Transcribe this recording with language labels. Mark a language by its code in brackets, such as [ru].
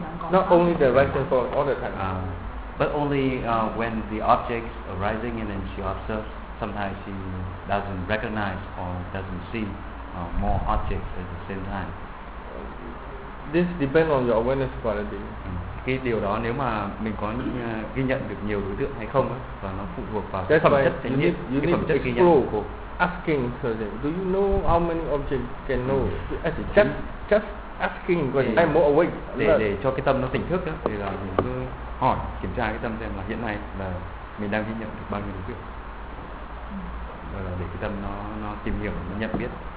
[en] Not only the rising and falling all the time. But only when the objects are rising and then she observes, sometimes she doesn't recognize or doesn't see more objects at the same time. This depends on your awareness quality. [vi] Cái điều đó nếu mà mình có ghi nhận được nhiều đối tượng hay không, và nó phụ thuộc vào phẩm chất thể nghiệm, cái phẩm chất ghi nhận của cô. [en] Asking something, do you know how many objects can know? Just asking, I'm more awake. [vi] Để cho cái tâm nó tỉnh thức đó, thì là mình cứ hỏi, kiểm tra cái tâm xem là hiện nay là mình đang ghi nhận được bao nhiêu đối tượng. Và là để cái tâm nó tìm hiểu, nó nhận biết.